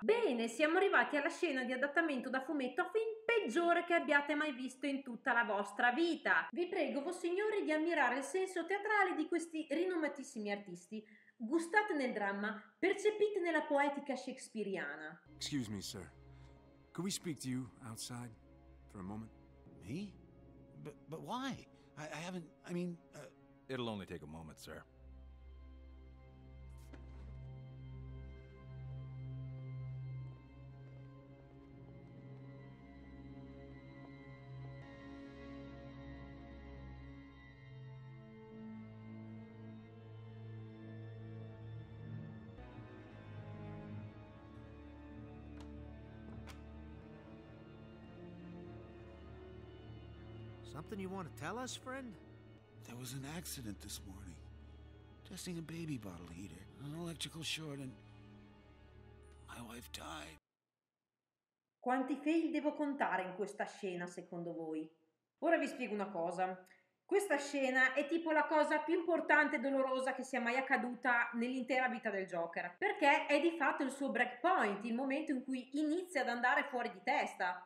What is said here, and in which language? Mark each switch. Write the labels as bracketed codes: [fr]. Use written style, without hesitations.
[it] Bene, siamo arrivati alla scena di adattamento da fumetto a film peggiore che abbiate mai visto in tutta la vostra vita. Vi prego, voi signori, di ammirare il senso teatrale di questi rinomatissimi artisti. Gustate nel dramma, percepite nella poetica shakespeariana. [en] Excuse me, sir. Could we speak to you outside for a moment? Me? But why? I haven't, it'll only take a moment, sir. Something you want to tell us, friend? There was an accident this morning. Testing a baby bottle heater, an electrical short, and my wife died. [it] Quanti fail devo contare in questa scena, secondo voi? Ora vi spiego una cosa. Questa scena è tipo la cosa più importante e dolorosa che sia mai accaduta nell'intera vita del Joker, perché è di fatto il suo breakpoint, il momento in cui inizia ad andare fuori di testa.